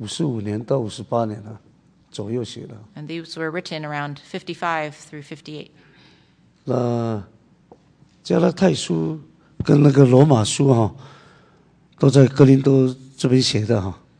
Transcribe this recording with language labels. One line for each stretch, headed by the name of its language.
Chinese: 这个临前后啊，我知道哈。那这个差不多是在主后55年到58年了，左右写的。
English: And these were written around 55 through 58.
Chinese: 那加拉太书跟那个罗马书哈，都在哥林多这边写的哈。